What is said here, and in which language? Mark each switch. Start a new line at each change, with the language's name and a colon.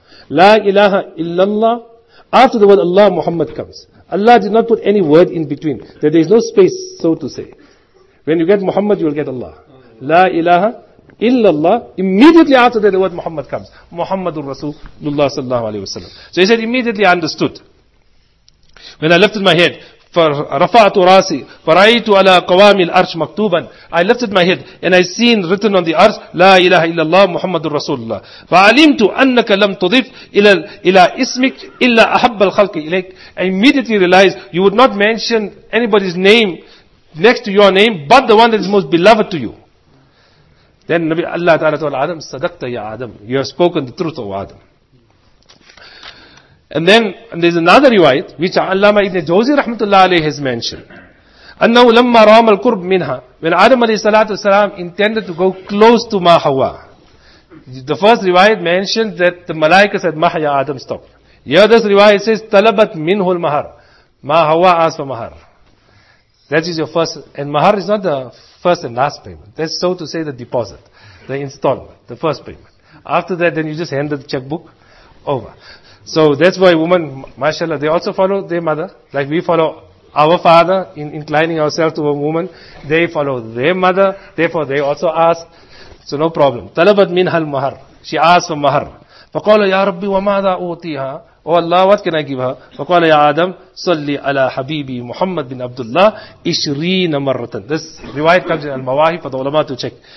English: La ilaha illallah. After the word Allah, Muhammad comes. Allah did not put any word in between. That there is no space, so to say. When you get Muhammad, you will get Allah. La ilaha illallah, immediately after that the word Muhammad comes. Muhammadur Rasulullah sallallahu alayhi wa sallam. So he said, immediately I understood. When I lifted my head,
Arabic: فَرَفَعْتُ رَاسِي فَرَأَيْتُ عَلَى قَوَامِ الْأَرْشِ مَكْتُوبًا.
English: I lifted my head and I seen written on the arch, La ilaha illallah Muhammadur Rasulullah.
Arabic: فَعَلِمْتُ أَنَّكَ لَمْ تُضِفْ إِلَى إِسْمِكْ إِلَّا أَحَبَّ الْخَلْقِ إِلَيْكَ.
English: I immediately realized you would not mention anybody's name next to your name but the one that is most beloved to you. Then Nabi Allah Ta'ala told Adam, Sadaqta ya Adam. You have spoken the truth, O Adam. And then, and there's another riwayat, which Allama Ibn Jawzi Rahmatullah Alayhi has mentioned.
Arabic: أَنَّهُ لَمَّا رَوَمَ الْقُرْبْ مِنْهَا
English: When Adam A.S. intended to go close to Ma Hawa. The first riwayat mentions that the Malaika said, Mahya Adam, stop. The other riwayat says, Talabat minhu al-mahar. Ma Hawa asked for mahar. That is your first, and mahar is not the first and last payment. That's so to say the deposit, the installment, the first payment. After that, then you just hand the checkbook over. So that's why women, mashallah, they also follow their mother, like we follow our father in inclining ourselves to a woman. They follow their mother, therefore they also ask. So no problem. Talabat minha al-mahar. She asked for mahar.
Arabic: فَقَالَ يَا رَبِّي وَمَاذَا أُوْتِيهَا
English: Oh Allah, what can I give her?
Arabic: فَقَالَ يَا آدَمْ صَلِّ عَلَىٰ حَبِيبِي مُحَمَّدْ بِنْ عَبْدُ اللَّهِ إِشْرِينَ مَرَّةً
English: This riwayat comes in Al-Mawahi for the ulama to check.